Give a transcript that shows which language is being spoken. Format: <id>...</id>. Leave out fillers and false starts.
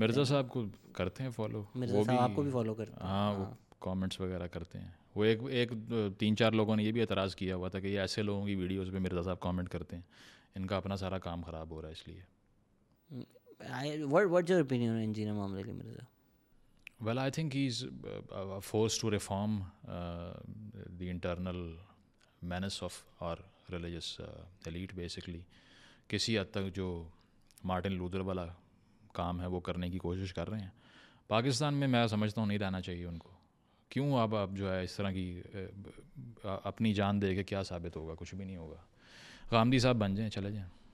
<hi>मिर्ज़ा साहब को करते हैं फॉलो. मिर्ज़ा साहब आपको भी फॉलो करते हैं? हाँ, वो कॉमेंट्स वगैरह करते हैं. वो एक एक तीन चार लोगों ने ये भी एतराज़ किया हुआ था कि ये ऐसे लोगों की वीडियोज़ पर मिर्ज़ा साहब कॉमेंट करते हैं, इनका अपना सारा काम ख़राब हो रहा है इसलिए.</hi> <en>What's your opinion on engineer मामले के Mirza? Well, I think he's forced to reform the internal menace of our religious elite, basically.</en> <hi>किसी हद तक जो मार्टिन लूथर वाला काम है वो करने की कोशिश कर रहे हैं. पाकिस्तान में मैं समझता हूँ नहीं रहना चाहिए उनको. क्यों आप जो है इस तरह की अपनी जान दे के क्या साबित होगा? कुछ भी नहीं होगा. गांधी साहब बन जाएँ, चले जाएँ.</hi>